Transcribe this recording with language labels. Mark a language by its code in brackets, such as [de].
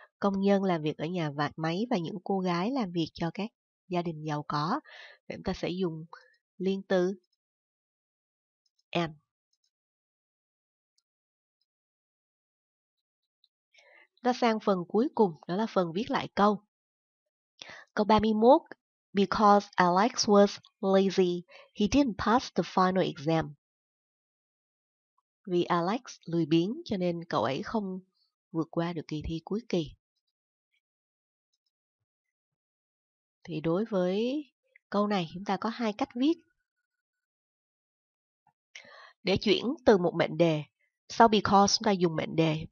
[vi] Công nhân làm việc ở nhà vạc máy và những cô gái làm việc cho các gia đình giàu có. Chúng ta sẽ dùng liên từ am. Ta sang phần cuối cùng, đó là phần viết lại câu. Câu 31. [en] Because Alex was lazy, he didn't pass the final exam. [vi] Vì Alex lười biếng cho nên cậu ấy không vượt qua được kỳ thi cuối kỳ. Thì đối với câu này chúng ta có hai cách viết. Để chuyển từ một mệnh đề, sau because chúng ta dùng mệnh đề.